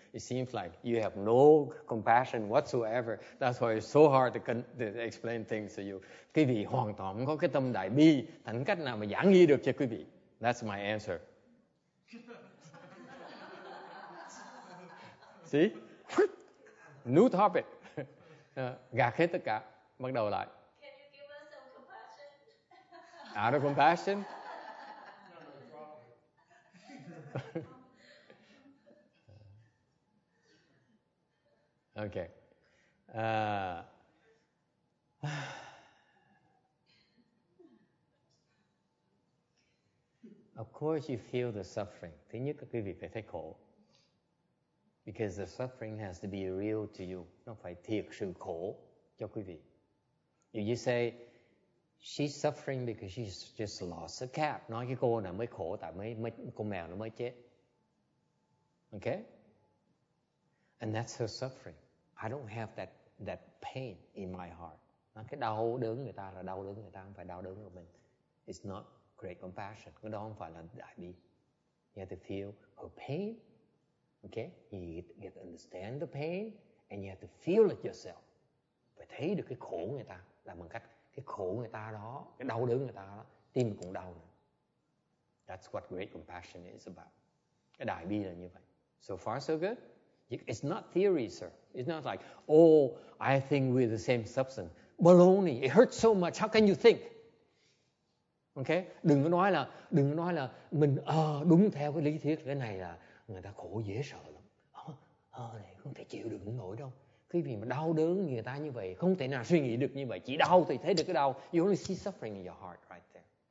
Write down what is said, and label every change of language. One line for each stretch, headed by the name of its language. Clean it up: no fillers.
English: It seems like you have no compassion whatsoever. That's why it's so hard to explain things to you.
Vietnamese: Quý vị hoàn toàn không có cái tâm đại bi, thành cách nào mà giảng nghe được cho quý vị.
English: That's my answer. See? New topic.
Vietnamese: Gạt hết tất cả. Bắt đầu lại.
English: Can you give us some compassion? Out of compassion? Okay. Of course you feel the suffering.
Vietnamese: Thứ nhất là quý vị phải thấy khổ.
English: Because the suffering has to be real to you.
Vietnamese: Nó phải thiệt sự khổ cho quý vị.
English: If you say, she's suffering because she's just lost a cat.
Vietnamese: Nói cái cô này mới khổ tại mấy con mèo nó mới chết.
English: Okay? And that's her suffering. I don't have that pain in my heart.
Vietnamese: Cái đau đớn người ta là đau đớn người ta, không phải đau đớn của mình.
English: It's not great compassion.
Vietnamese: Cái đó không phải là đại bi.
English: You have to feel her pain. Okay? You get to understand the pain. And you have to feel it yourself.
Vietnamese: Phải thấy được cái khổ người ta. Là bằng cách cái khổ người ta đó, cái đau đớn người ta đó, tim cũng đau.
English: That's what great compassion is about.
Vietnamese: Cái đại bi là như vậy.
English: So far so good. It's not theory, sir. It's not like, oh, I think we're the same substance. Baloney. It hurts so much. How can you think? Okay?
Vietnamese: Đừng có nói là mình đúng theo cái lý thuyết cái này là người ta khổ dễ sợ lắm. Này không thể chịu được nổi đâu. Cái gì mà đau đớn người ta như vậy, không thể nào suy nghĩ được như vậy. Chỉ đau thì thấy được cái đau.
English: You only see suffering in your heart right there.